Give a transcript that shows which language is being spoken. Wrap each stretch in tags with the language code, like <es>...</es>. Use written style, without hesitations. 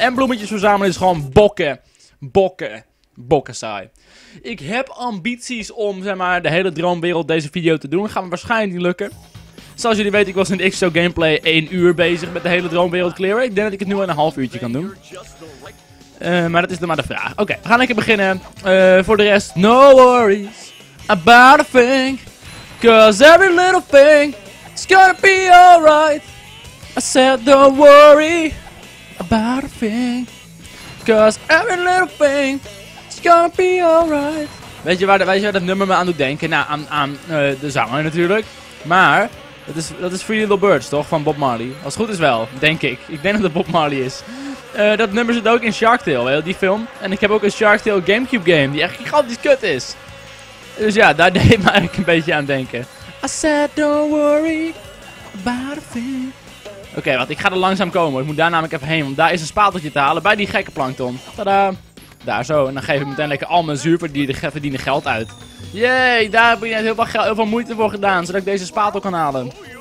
<nl>En bloemetjes verzamelen is gewoon bokken. Bokken. Bokken saai. Ik heb ambities om, zeg maar, de hele droomwereld deze video te doen. Gaan we waarschijnlijk niet lukken. Zoals jullie weten, ik was in de XO gameplay 1 uur bezig met de hele droomwereld clearen. Ik denk dat ik het nu in een half uurtje kan doen. Maar dat is dan maar de vraag. Oké, we gaan lekker beginnen. Voor de rest,</nl> <en>no worries about a thing. Cause every little thing is gonna be alright. I said don't worry about a thing. Cause every little thing is gonna be alright.</en> <nl>Weet je waar dat nummer me aan doet denken? Nou, aan de zanger natuurlijk. Maar dat is Free Little Birds, toch? Van Bob Marley. Als het goed is wel, denk ik. Ik denk dat het Bob Marley is. Dat nummer zit ook in Shark Tale, weet je, die film. En ik heb ook een Shark Tale Gamecube game, die echt gigantisch kut is. Dus ja, daar deed me eigenlijk een beetje aan denken.</nl> <en>I said don't worry about a thing.</en> <nl>Oké, wacht, ik ga er langzaam komen. Ik moet daar namelijk even heen, want daar is een spateltje te halen bij die gekke plankton. Tadaa. Daar zo, en dan geef ik meteen lekker al mijn zuurverdiende geld uit. Yay, daar heb ik net heel veel moeite voor gedaan, zodat ik deze spatel kan halen.</nl>